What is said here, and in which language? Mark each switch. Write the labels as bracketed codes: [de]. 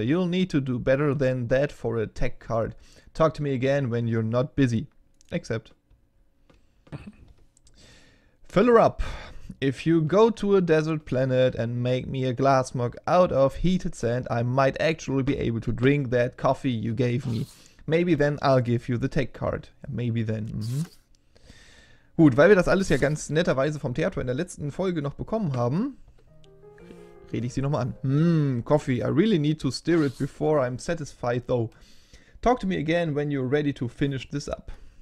[en] You'll need to do better than that for a tech card. Talk to me again when you're not busy. Except. Fill her up. If you go to a desert planet and make me a glass mug out of heated sand, I might actually be able to drink that coffee you gave me. Maybe then I'll give you the tech card. Maybe then. [de] Gut, weil wir das alles ja ganz netterweise vom Theater in der letzten Folge noch bekommen haben, rede ich sie nochmal an. [en] Coffee. I really need to stir it before I'm satisfied though. Talk to me again when you're ready to finish this up.